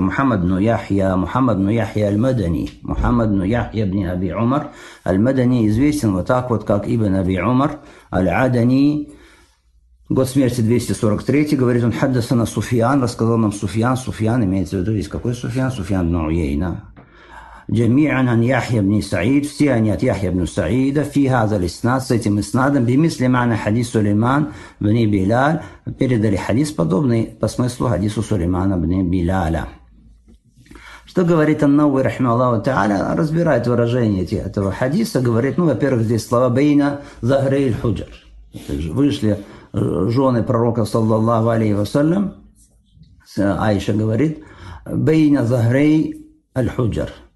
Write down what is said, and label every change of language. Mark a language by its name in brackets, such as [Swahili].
[Russian] Мухаммад ну Яхья Аль-Мадани. Мухаммад ну Яхья бни Аби Умар. Аль-Мадани известен вот так вот, как Ибн Аби Умар, Аль-Адани. Год смерти 243-й, говорит он, [Arabic] «Хаддасана Суфьян», [Russian] рассказал нам Суфьян. Суфьян имеется в виду, есть какой Суфьян? Суфьян бну Уйейна. [Arabic] جميعاً عن يحيى بن سعيد [Russian] все они от [Arabic] يحيى بن سعيد في هذا الاسناد [Russian] с этим иснадом [Arabic] بمثل معنى حديث سليمان بن بلال [Russian] передали хадис подобный по смыслу хадису Сулеймана бин Биляля. Что говорит ан-Науи рахмаллаху тааля, разбирает выражение этого хадиса, говорит, ну, во-первых, здесь слова [Arabic] байна захрей аль-худжар, [Russian] вышли жены пророка саллаллаху алейхи вассалям, Аиша говорит байна захрей аль-худжар.